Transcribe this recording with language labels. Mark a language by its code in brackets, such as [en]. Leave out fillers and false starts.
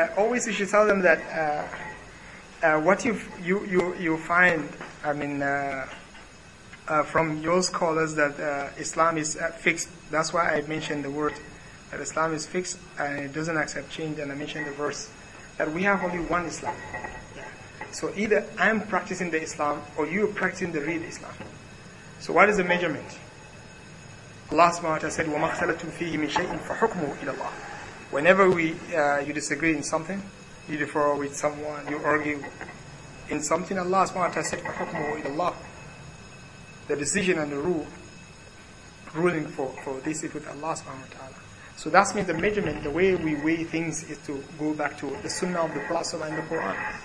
[en] No, always you should tell them that what you find, I mean, from your scholars, that Islam is fixed. That's why I mentioned the word that Islam is fixed and it doesn't accept change. And I mentioned the verse that we have only one Islam. So either I'm practicing the Islam or you're practicing the real Islam. So what is the measurement? Allah subhanahu wa ta'ala said, [ar] وَمَا اخْتَلَتُمْ فِيهِ مِنْ شَيْءٍ فَحُكْمُهُ إِلَى اللَّهِ. [en] Whenever you disagree in something, you differ with someone, you argue in something, Allah subhanahu wa ta'ala said, [ar] فَحُكْمُهُ إِلَى اللَّهِ. [en] The decision and the ruling for this is with Allah subhanahu wa ta'ala. So that means the measurement, the way we weigh things, is to go back to the Sunnah of the Prophet and the Quran.